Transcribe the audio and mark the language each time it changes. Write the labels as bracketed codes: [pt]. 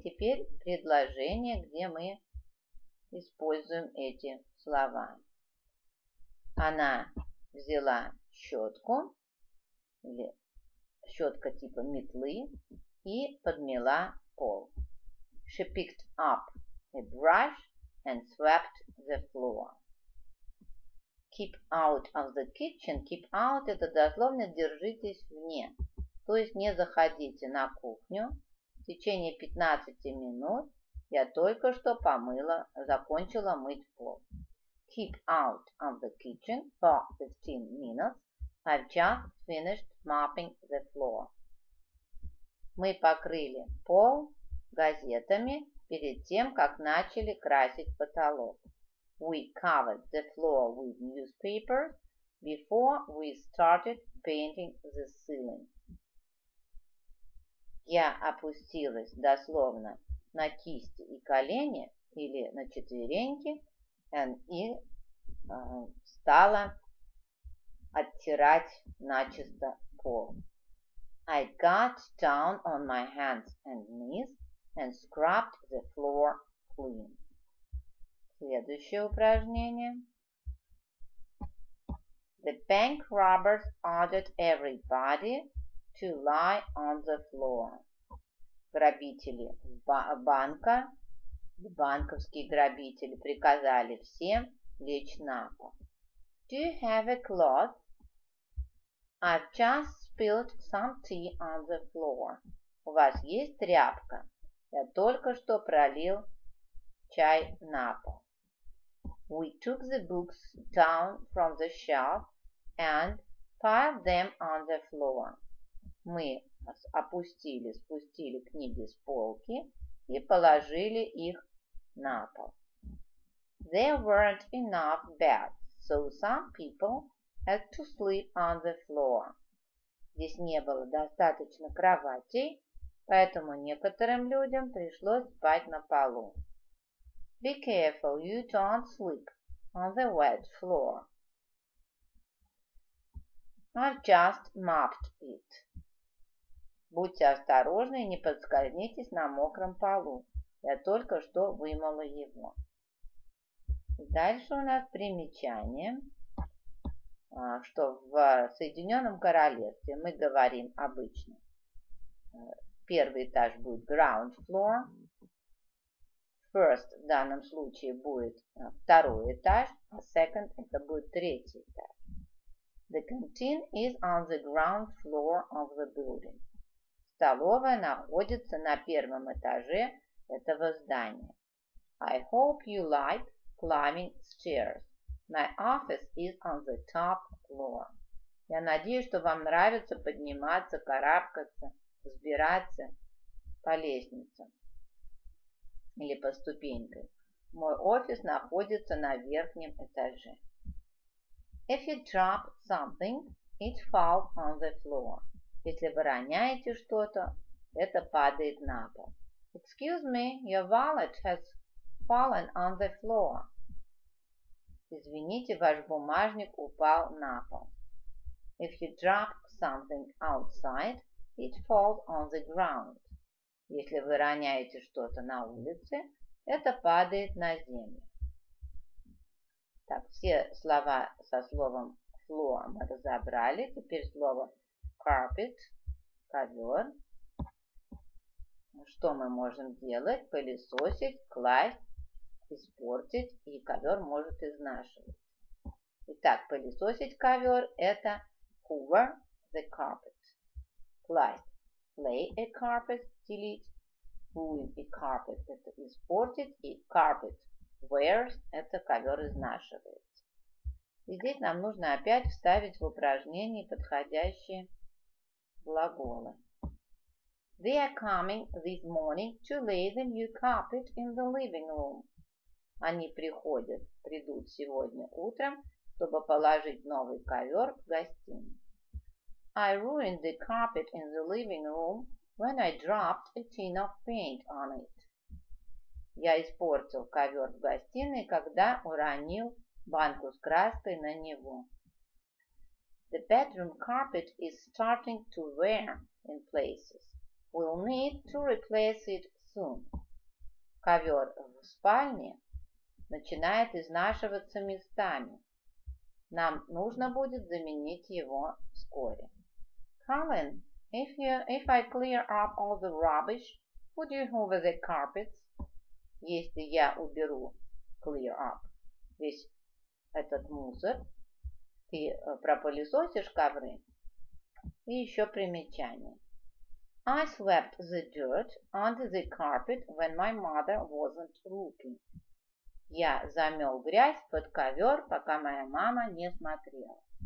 [ru] Теперь предложение, где мы используем эти слова. Она взяла щетку, или щетка типа метлы, и подмела пол. [en] She picked up a brush and swept the floor. Keep out of the kitchen. Keep out – [ru] это дословно «держитесь вне». То есть не заходите на кухню. В течение 15 минут я только что помыла, закончила мыть пол. [en] Keep out of the kitchen for 15 minutes. I've just finished mopping the floor. [ru] Мы покрыли пол газетами перед тем, как начали красить потолок. [en] We covered the floor with newspaper before we started painting the ceiling. [ru] Я опустилась дословно на кисти и колени, или на четвереньки, и стала оттирать начисто пол. [en] I got down on my hands and knees and scrubbed the floor clean. [ru] Следующее упражнение. [en] The bank robbers ordered everybody to lie on the floor. [ru] Грабители банка, банковские грабители приказали всем лечь на пол. [en] Do you have a cloth? I've just spilled some tea on the floor. [ru] У вас есть тряпка? Я только что пролил чай на пол. [en] We took the books down from the shelf and piled them on the floor. [ru] Мы спустили книги с полки и положили их на пол. [en] There weren't enough beds, so some people had to sleep on the floor. [ru] Здесь не было достаточно кроватей, поэтому некоторым людям пришлось спать на полу. [en] Be careful, you don't sleep on the wet floor. I've just mopped it. [ru] Будьте осторожны и не подскользнитесь на мокром полу. Я только что вымыла его. Дальше у нас примечание, что в Соединенном Королевстве мы говорим обычно. Первый этаж будет ground floor. First в данном случае будет второй этаж, а second это будет третий этаж. [en] The canteen is on the ground floor of the building. [ru] Столовая находится на первом этаже этого здания. [en] I hope you like climbing stairs. My office is on the top floor. [ru] Я надеюсь, что вам нравится подниматься, карабкаться, взбираться по лестницам или по ступенькам. Мой офис находится на верхнем этаже. [en] If you drop something, it falls on the floor. [ru] Если вы роняете что-то, это падает на пол. [en] Excuse me, your wallet has fallen on the floor. [ru] Извините, ваш бумажник упал на пол. [en] If you drop something outside, it falls on the ground. [ru] Если вы роняете что-то на улице, это падает на землю. Так, все слова со словом floor мы разобрали. Теперь слово carpet, ковер. Что мы можем делать? Пылесосить, класть, испортить, и ковер может изнашивать. Итак, пылесосить ковер – это [en] hoover the carpet. [ru] Класть [en] – lay a carpet, [ru] делить. [en] Ruin a carpet – [ru] это испортить. И [en] carpet wears [ru] – это ковер изнашивается. И здесь нам нужно опять вставить в упражнение подходящие глаголы. [en] They are coming this morning to lay the new carpet in the living room. [ru] Они придут сегодня утром, чтобы положить новый ковер в гостиной. [en] I ruined the carpet in the living room when I dropped a tin of paint on it. [ru] Я испортил ковер в гостиной, когда уронил банку с краской на него. [en] The bedroom carpet is starting to wear in places. We'll need to replace it soon. [ru] Ковер в спальне начинает изнашиваться местами. Нам нужно будет заменить его вскоре. [en] Colin, if I clear up all the rubbish, would you hoover the carpets? [ru] Если я уберу [en] clear up [ru] весь этот мусор, ты пропылесосишь ковры? И еще примечание. [en] I swept the dirt under the carpet when my mother wasn't looking. [ru] Я замел грязь под ковер, пока моя мама не смотрела.